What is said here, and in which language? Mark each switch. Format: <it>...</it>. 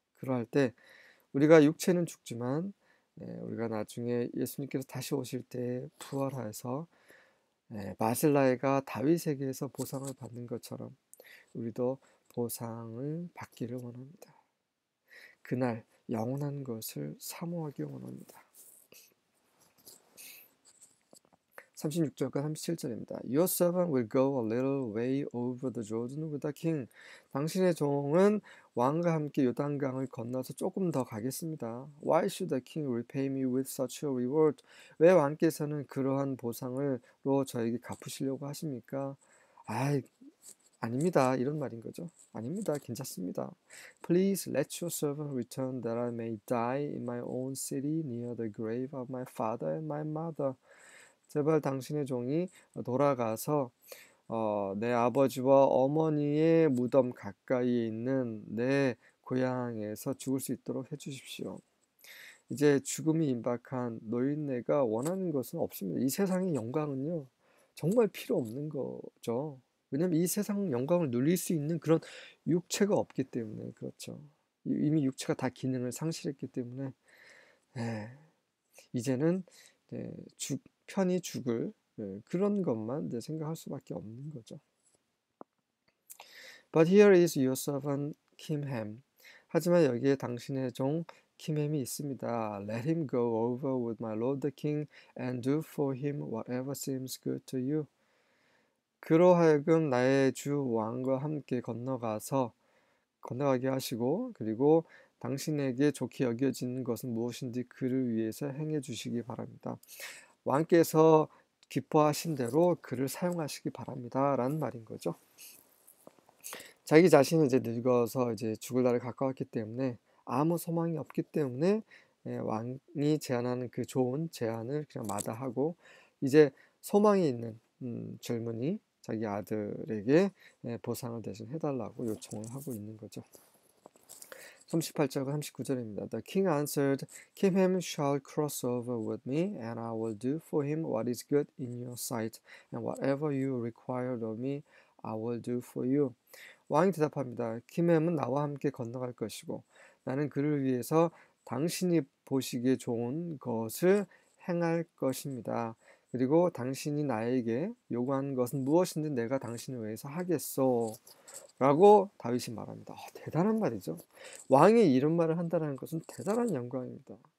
<ko>그러할 때 우리가 육체는 죽지만 우리가 나중에 예수님께서 다시 오실 때 부활하여서 바실라이가 다윗에게서 보상을 받는 것처럼 우리도 보상을 받기를 원합니다. 그날 영원한 것을 사모하기 원합니다. 36절과 37절입니다.</ko> <en>Your servant will go a little way over the Jordan with the king.</en> <ko>당신의 종은 왕과 함께 요단강을 건너서 조금 더 가겠습니다.</ko> <en>Why should the king repay me with such a reward?</en> <ko>왜 왕께서는 그러한 보상을 저에게 갚으시려고 하십니까? 아이, 아닙니다. 이런 말인 거죠. 아닙니다. 괜찮습니다.</ko> <en>Please let your servant return that I may die in my own city near the grave of my father and my mother.</en> <ko>제발 당신의 종이 돌아가서 내 아버지와 어머니의 무덤 가까이 있는 내 고향에서 죽을 수 있도록 해주십시오. 이제 죽음이 임박한 노인네가 원하는 것은 없습니다. 이 세상의 영광은요, 정말 필요 없는 거죠. 왜냐면 이 세상 영광을 누릴 수 있는 그런 육체가 없기 때문에 그렇죠. 이미 육체가 다 기능을 상실했기 때문에 이제는 편히 죽을 그런 것만 생각할 수밖에 없는 거죠.</ko> <en>But here is your servant Kim Ham.</en> <ko>하지만 여기에 당신의 종 김햄이 있습니다.</ko> <en>Let him go over with my lord the king and do for him whatever seems good to you.</en> <ko>그로 하여금 나의 주 왕과 함께 건너가게 하시고, 그리고 당신에게 좋게 여겨지는 것은 무엇인지 그를 위해서 행해 주시기 바랍니다. 왕께서 기뻐하신 대로 그를 사용하시기 바랍니다. 라는 말인 거죠. 자기 자신은 이제 늙어서 이제 죽을 날을 가까웠기 때문에 아무 소망이 없기 때문에 왕이 제안하는 그 좋은 제안을 그냥 마다하고 이제 소망이 있는 젊은이 자기 아들에게 보상을 대신 해달라고 요청을 하고 있는 거죠. 38절과 39절입니다.</ko> <en>The king answered, Kim Ham shall cross over with me, and I will do for him what is good in your sight, and whatever you require of me, I will do for you.</en> <ko>왕이 대답합니다. 김 햄은 나와 함께 건너갈 것이고 나는 그를 위해서 당신이 보시기에 좋은 것을 행할 것입니다. 그리고 당신이 나에게 요구한 것은 무엇인지 내가 당신을 위해서 하겠소. 라고 다윗이 말합니다. 대단한 말이죠. 왕이 이런 말을 한다는 것은 대단한 영광입니다.</ko>